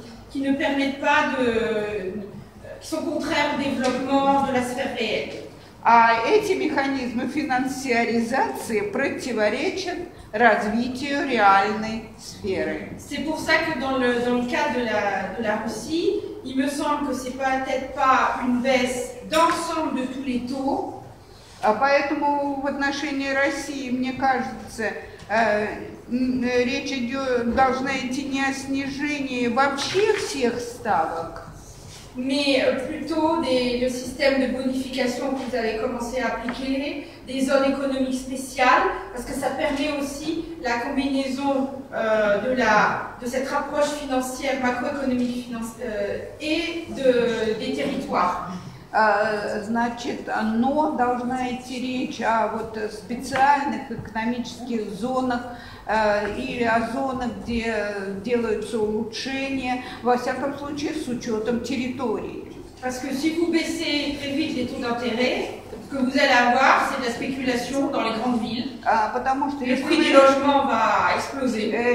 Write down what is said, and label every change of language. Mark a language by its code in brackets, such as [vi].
[fr] qui ne permettent pas de qui sont contraires au développement de la sphère réelle. [ru] А эти механизмы финансиаризации противоречат развитию реальной сферы. [fr] C'est pour ça que dans le cas de la Russie, il me semble que c'est peut-être pas une baisse d'ensemble de tous les taux. [ru] А поэтому в отношении России, мне кажется, речь идет, должна идти не о снижении вообще всех ставок, [fr] mais plutôt le système de bonification que vous avez commencé à appliquer, des zones économiques spéciales, parce que ça permet aussi la combinaison de cette approche financière macroéconomique et des territoires. [ru] Значит, но должна идти речь о вот специальных экономических зонах или о зонах, где делаются улучшения, во всяком случае, с учетом территории. [fr] Parce que si vous baissez très vite les taux d'intérêt, ce que vous allez avoir, c'est de la spéculation dans les grandes villes. [ru] Потому что [fr] le prix des logements va exploser.